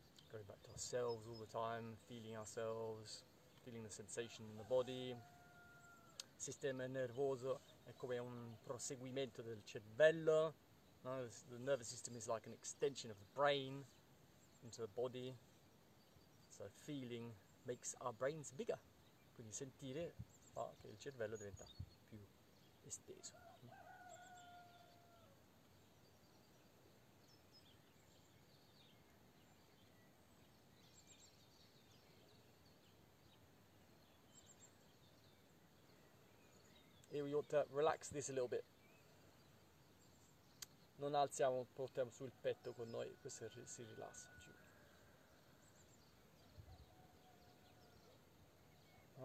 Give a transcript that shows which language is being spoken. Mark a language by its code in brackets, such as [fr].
[en] Going back to ourselves all the time, feeling ourselves, feeling the sensation in the body. [it] Sistema nervoso è come un proseguimento del cervello. [en] No, the nervous system is like an extension of the brain into the body. So feeling makes our brains bigger. [it] Quindi sentire fa che il cervello diventa più esteso. [en] Here we ought to relax this a little bit. [it] Non alziamo, portiamo sul petto con noi, questo si rilassa giù.